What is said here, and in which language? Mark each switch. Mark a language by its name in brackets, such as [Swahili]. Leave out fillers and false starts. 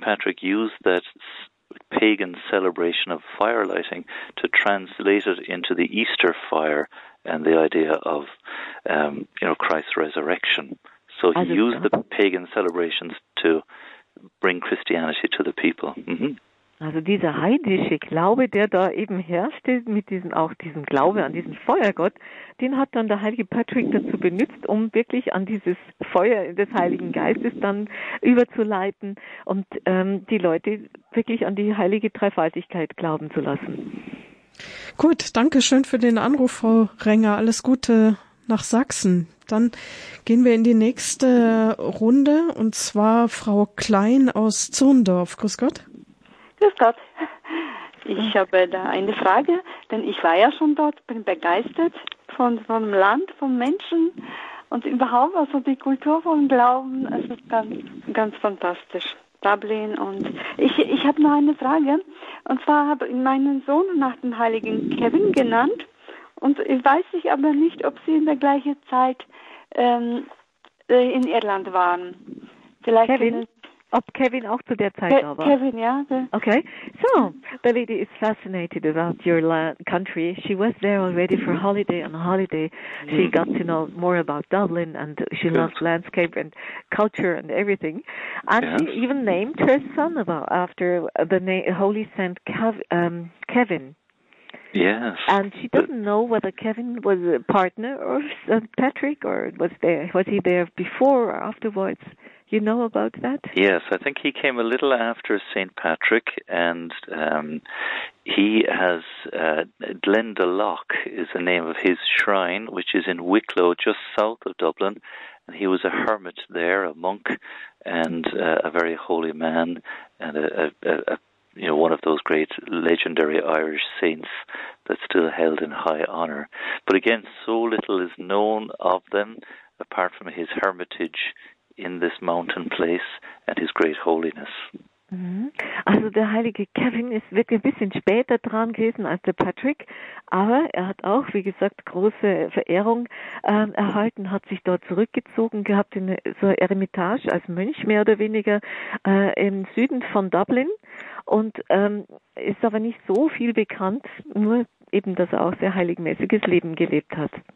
[English] Patrick used that pagan celebration of fire lighting to translate it into the Easter fire and the idea of Christ's resurrection. So he used the pagan celebrations to bring Christianity to the people. Mm-hmm. [German] Also dieser heidnische Glaube, der da eben herrscht, mit diesen auch diesen Glaube an diesen Feuergott, den hat dann der heilige Patrick dazu benutzt, um wirklich an dieses Feuer des Heiligen Geistes dann überzuleiten und die Leute wirklich an die heilige Dreifaltigkeit glauben zu lassen. Gut, danke schön für den Anruf, Frau Renger. Alles Gute nach Sachsen. Dann gehen wir in die nächste Runde und zwar Frau Klein aus Zirndorf. Grüß Gott. Grüß Gott. Ich habe da eine Frage, denn ich war ja schon dort, bin begeistert von dem Land, von Menschen und überhaupt, also die Kultur vom Glauben, es ist ganz, ganz fantastisch. Dublin und ich habe noch eine Frage und zwar habe ich meinen Sohn nach dem heiligen Kevin genannt und ich weiß aber nicht, ob sie in der gleichen Zeit in Irland waren. Vielleicht Kevin? Ob Kevin auch zu der Zeit da war. Kevin, ja. Okay. [English] So, the lady is fascinated about your country. She was there already for holiday. On holiday, she got to know more about Dublin, and she loved landscape and culture and everything. And she even named her son after the Holy Saint Kevin. Yes. And she doesn't know whether Kevin was a partner of St. Patrick, or was he there before or afterwards. You know about that? Yes, I think he came a little after St. Patrick, and he has Glendalough is the name of his shrine, which is in Wicklow, just south of Dublin. And he was a hermit there, a monk, and a very holy man, and one of those great legendary Irish saints that's still held in high honor. But again, so little is known of them, apart from his hermitage in this mountain place and his great holiness. [German] Also der heilige Kevin ist wirklich ein bisschen später dran gewesen als der Patrick, aber er hat auch, wie gesagt, große Verehrung erhalten, hat sich dort zurückgezogen gehabt in so Eremitage als Mönch mehr oder weniger im Süden von Dublin und ist aber nicht so viel bekannt, nur eben, dass er auch sehr heiligmäßiges Leben gelebt hat.